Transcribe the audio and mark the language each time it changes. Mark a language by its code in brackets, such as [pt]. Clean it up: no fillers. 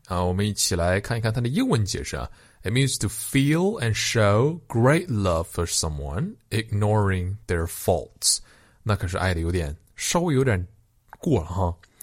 [zh] 啊，我们一起来看一看它的英文解释啊。 [en] It means to feel and show great love for someone, ignoring their faults. [zh] 那可是爱的有点稍微有点过了哈。